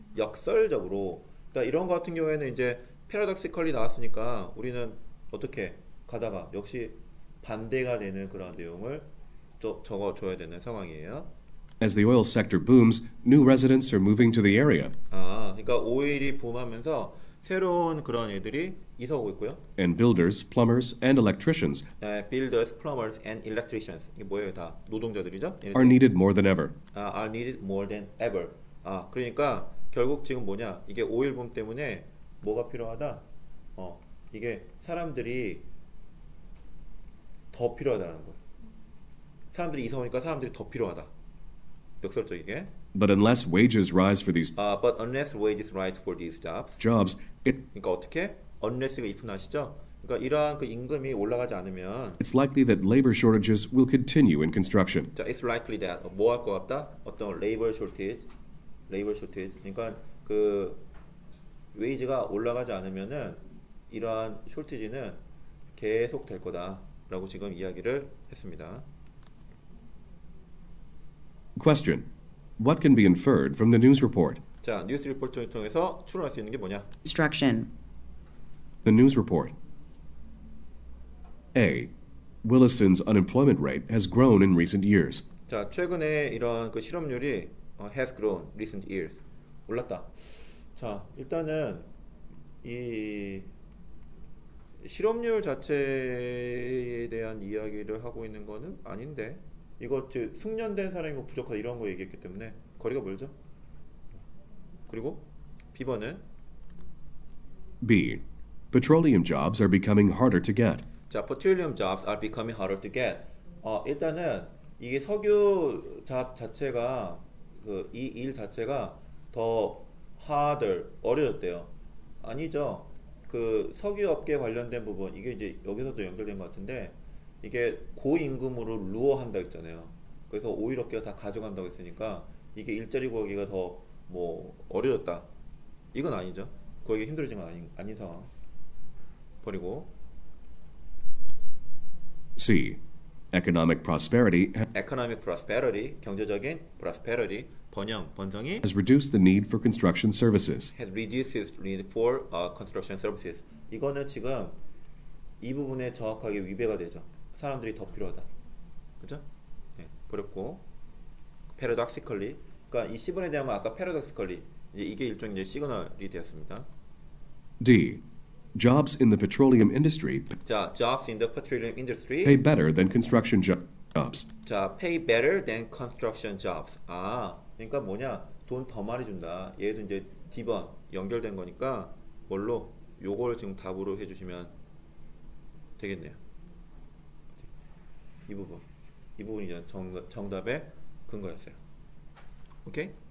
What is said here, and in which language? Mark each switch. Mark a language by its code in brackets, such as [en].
[ko] 역설적으로 그러니까 이런 거 같은 경우에는 이제 paradoxically 나왔으니까 우리는 어떻게 가다가 역시 반대가 되는 그런 내용을 적어줘야 되는 상황이에요. [en] As the oil sector booms, new residents are moving to the area. [ko] 아, 그러니까 오일이 붐하면서 새로운 그런 애들이 이사 오고 있고요. [en] And builders, plumbers, and electricians. [ko] 네, [en] builders, plumbers, and electricians. [ko] 이게 뭐예요, 다 노동자들이죠? [en] Are needed more than ever. [ko] 아, [en] are needed more than ever. [ko] 아, 그러니까 결국 지금 뭐냐? 이게 오일 붐 때문에 뭐가 필요하다? 어, 이게 사람들이 더 필요하다는 거예요. 사람들이 이사 오니까 사람들이 더 필요하다. 역설적이게. [en] But unless wages rise for these but unless wages rise for these jobs. Jobs. It, [ko] 그러니까 어떻게? unless가 if 나시죠? 그러니까 이러한 그 임금이 올라가지 않으면 [en] It's likely that labor shortages will continue in construction. [ko] 자, [en] it's likely that [ko] 뭐 할 것 같다? 어떤 labor shortage. labor shortage. 그러니까 그 wage가 올라가지 않으면은 이러한 shortage는 계속 될 거다라고 지금 이야기를 했습니다. [en] Question. What can be inferred from the news report? [ko] 자, 뉴스 리포트를 통해서 추론할 수 있는 게 뭐냐? [en] Instruction. The news report. A. Williston's unemployment rate has grown in recent years. [ko] 자, 최근에 이런 그 실업률이 [en] has grown recent years. [ko] 올랐다. 자, 일단은 이 실업률 자체에 대한 이야기를 하고 있는 거는 아닌데. 이거 숙련된 사람이 뭐 부족하다 이런 거 얘기했기 때문에 거리가 멀죠. 그리고 B번은 [en] B. Petroleum jobs are becoming harder to get. 자, petroleum jobs are becoming harder to get. [ko] 어, 일단은 이게 석유 잡 자체가 그 이 일 자체가 더 harder 어려졌대요. 아니죠. 그 석유 업계 관련된 부분 이게 이제 여기서도 연결된 것 같은데 이게 고임금으로 루어한다 했잖아요. 그래서 오일 업계가 다 가져간다고 했으니까 이게 일자리 구하기가 더 뭐 어려졌다. 이건 아니죠. 구하기가 힘들어진 건 아닌 상황. 버리고 [en] C. Economic prosperity. Economic prosperity. [ko] 경제적인 prosperity. 번영, 번성이 [en] has reduced the need for construction services. Has reduced the need for construction services. [ko] 이거는 지금 이 부분에 정확하게 위배가 되죠. 사람들이 더 필요하다. 그죠? 네, 버렸고 paradoxically 그러니까 이 C번에 대한 건 아까 paradoxically 이제 이게 일종의 이제 시그널이 되었습니다. [en] D. Jobs in the petroleum industry 자, jobs in the petroleum industry pay better than construction jobs [ko] 자, [en] pay better than construction jobs [ko] 아, 그러니까 뭐냐 돈 더 많이 준다. 얘도 이제 D번 연결된 거니까 뭘로? 요걸 지금 답으로 해주시면 되겠네요. 이 부분이 정답의 근거였어요. 오케이?